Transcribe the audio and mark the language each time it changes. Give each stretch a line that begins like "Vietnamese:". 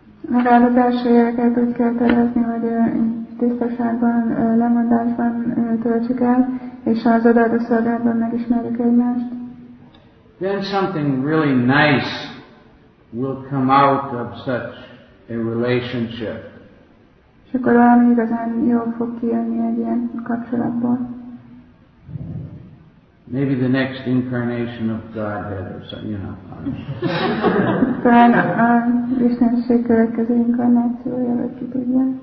Hungarian: Legalább az első éveket úgy kell tervezni, hogy tisztaságban, lemondásban töltsük el, és az odaadó szolgálatban megismerjük egymást.
English: Then something really nice will come out of such a relationship.
Hungarian: És akkor valami igazán jól fog kijönni egy ilyen kapcsolatból.
English: Maybe the next incarnation of Godhead or something, you know.
Hungarian: Talán a Istenség következő inkarnációja, vagy ki tudja.